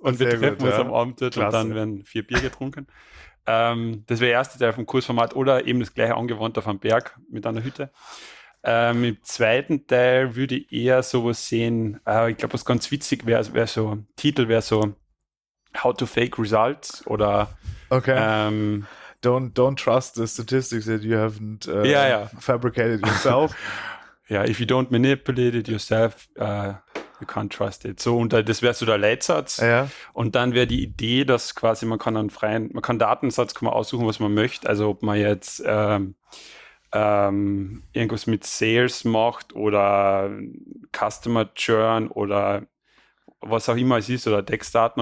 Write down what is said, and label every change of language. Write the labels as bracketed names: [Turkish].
[German] Und sehr wir treffen gut, uns ja. am Abend dort und dann werden vier Bier getrunken. Das wäre der erste Teil vom Kursformat oder eben das gleiche angewandt auf einem Berg mit einer Hütte. Im zweiten Teil würde ich eher sowas sehen, ich glaube, was ganz witzig wäre, wäre so [English] How to Fake Results [German] oder [English] okay. don't trust the statistics that you haven't fabricated yourself. Ja, if you don't manipulate it yourself, you can't trust it. [German] So, und das wäre so der Leitsatz. Ja. Und dann wäre die Idee, dass quasi man kann einen Datensatz aussuchen, was man möchte. Also ob man jetzt irgendwas mit Sales macht oder Customer Churn oder was auch immer es ist oder Textdaten.